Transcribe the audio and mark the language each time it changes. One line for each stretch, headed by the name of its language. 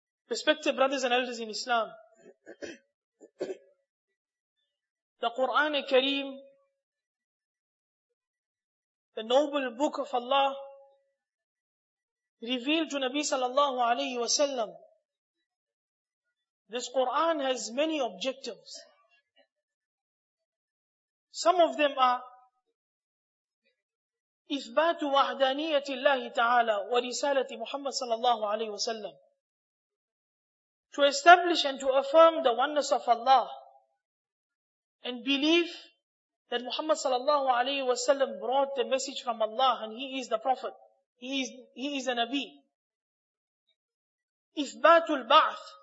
English: Respected brothers and elders in Islam, the Quran al-Kareem, the noble book of Allah, revealed to Nabi sallallahu alayhi wa sallam. This Quran has many objectives. Some of them are
Arabic: إثبات وحدانية الله تعالى ورسالة محمد صلى الله عليه وسلم.
English: To establish and to affirm the oneness of Allah and believe that Muhammad صلى الله عليه وسلم brought the message from Allah and he is the prophet. He is a Nabi.
Arabic: إثبات البعث.